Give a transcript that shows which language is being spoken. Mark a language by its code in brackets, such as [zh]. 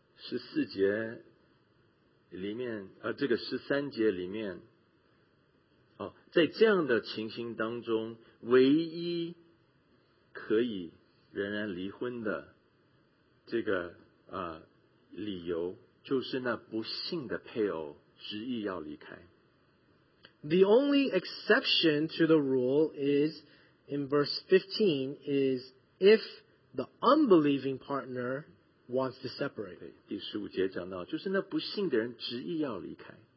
[zh] 14节 里面，这个十三节里面，在这样的情形当中，唯一可以仍然离婚的这个理由，就是那不幸的配偶执意要离开。 [en] The only exception to the rule is in verse 15 is if the unbelieving partner wants to separate. [zh] 对，第十五节讲到，就是那不信的人执意要离开。